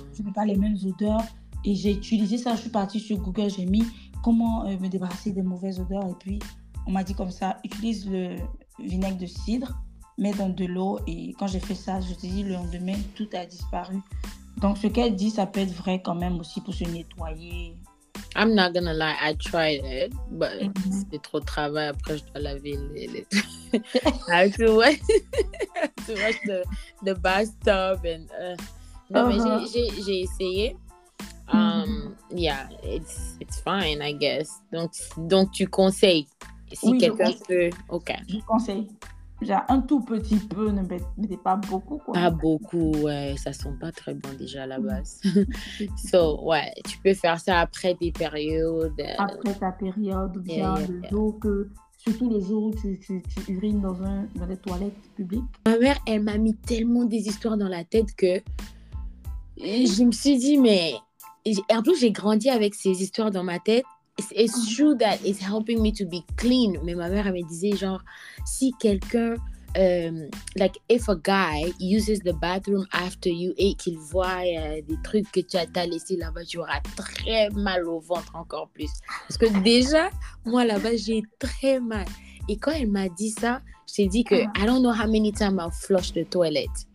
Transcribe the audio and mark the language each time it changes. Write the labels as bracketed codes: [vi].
[fr] Je n'avais pas les mêmes odeurs. Et j'ai utilisé ça. Je suis partie sur Google, j'ai mis comment me débarrasser des mauvaises odeurs. Et puis, on m'a dit comme ça, utilise le vinaigre de cidre, mets dans de l'eau. Et quand j'ai fait ça, je te dis, le lendemain, tout a disparu. Donc, ce qu'elle dit, ça peut être vrai quand même aussi pour se nettoyer. [en] I'm not gonna lie, I tried it, but mm-hmm. [fr] c'est trop de travail, après je dois laver les trucs. [en] I have to wash the bathtub and... [fr] Non, uh-huh. mais j'ai essayé. Mm-hmm. [en] Yeah, it's fine, I guess. [fr] Donc tu conseilles, si oui, quelqu'un peut, ok. Je conseille. Genre un tout petit peu, ne mettez pas beaucoup. Quoi. Pas beaucoup, ouais. Ça sent pas très bon déjà à la base. So, ouais, tu peux faire ça après des périodes. Après ta période, bien le jour que... Surtout les jours où tu urines dans des toilettes publiques. Ma mère, elle m'a mis tellement des histoires dans la tête que... Je me suis dit, mais... En plus, j'ai grandi avec ces histoires dans ma tête. [en] It's true that it's helping me to be clean. [fr] Mais ma mère, elle me disait genre, si quelqu'un, [en] like if a guy uses the bathroom after you [fr] et qu'il voit des trucs que tu as laissé là-bas, tu auras très mal au ventre encore plus. Parce que déjà, moi là-bas, j'ai très mal. Et quand elle m'a dit ça, je t'ai dit que [en] I don't know how many times I've flushed the toilet.